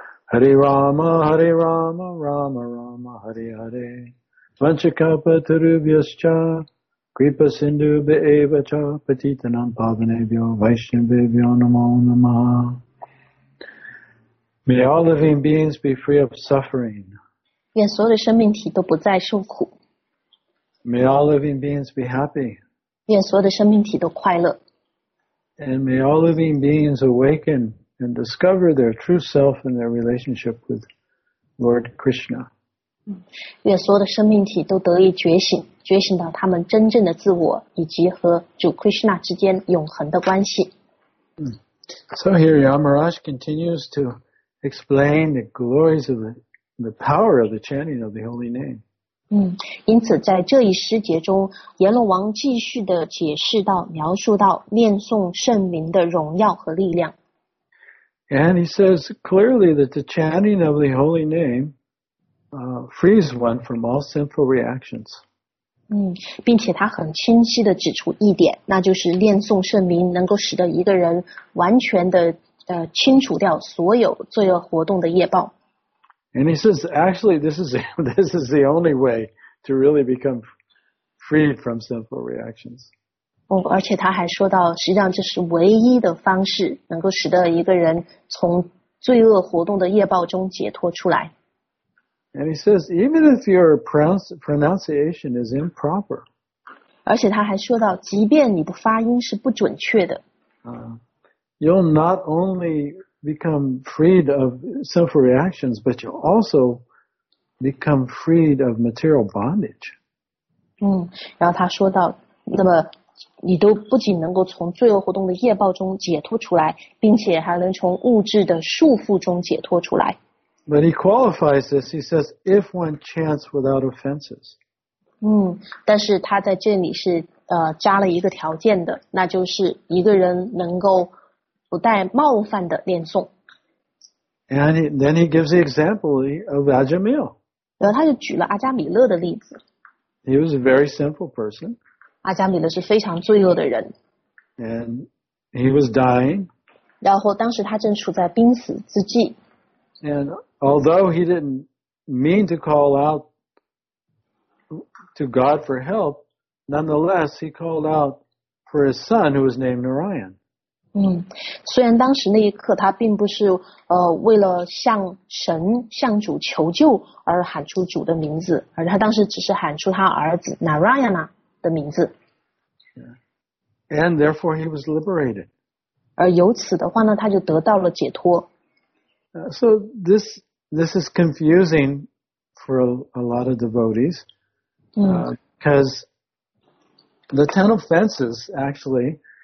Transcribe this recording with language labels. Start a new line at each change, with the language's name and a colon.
Sanskrit: Hare Rama Rama Rama Hare Hare Vanchakapa Tarubhyascha Kripa Sindhu Be'eva Cha Patitanam Pavanebhyo Vaishnavebhyo Namo Namaha.
English: May all living beings be free of suffering.
Chinese: 愿所有的生命体都不再受苦。
English: May all living beings be happy.
Chinese: 愿所有的生命体都快乐。
English: And may all living beings awaken and discover their true self and their relationship with Lord Krishna.
Chinese: 愿所有的生命体都得以觉醒，觉醒到他们真正的自我以及和主 Krishna 之间永恒的关系。
English: So here Yamaraj continues to explain the glories of it. The power of the chanting of the holy name.
Chinese: 因此在这一诗节中，阎罗王继续的解释到，描述到念诵圣名的荣耀和力量。
English: And he says clearly that the chanting of the holy name, frees one from all sinful reactions.
Chinese: 并且他很清晰的指出一点，那就是念诵圣名能够使得一个人完全的清除掉所有罪恶活动的业报。
English: And he says, actually, this is the only way to really become free from sinful reactions.
Chinese: 而且他还说到，实际上这是唯一的方式，能够使得一个人从罪恶活动的业报中解脱出来。
English: And he says, even if your pronunciation is improper.
Chinese: 而且他还说到，即便你的发音是不准确的。
English: You'll not only become freed of sinful reactions, but you also become freed of material bondage.
Chinese: 然后他说到，那么你都不仅能够从罪恶活动的业报中解脱出来，并且还能从物质的束缚中解脱出来。
English: But he qualifies this, he says, if one chants without offenses.
Chinese: 但是他在这里是加了一个条件的，那就是一个人能够不带冒犯的念诵。
English: And then he gives the example of Ajamil.
Chinese: 然后他就举了阿加米勒的例子。
English: He was a very simple person.
Chinese: 阿加米勒是非常罪恶的人。
English: And he was dying.
Chinese: 然后当时他正处在濒死之际。
English: And although he didn't mean to call out to God for help, Nonetheless, he called out for his son, who was named Narayan.
Chinese: 虽然当时那一刻他并不是为了向神向主求救而喊出主的名字，而他当时只是喊出他儿子 Narayana 的名字。
English: And therefore he was liberated.
Chinese: 而由此的话呢，他就得到了解脱。
English: So this is confusing for a lot of devotees, because the ten offenses actually.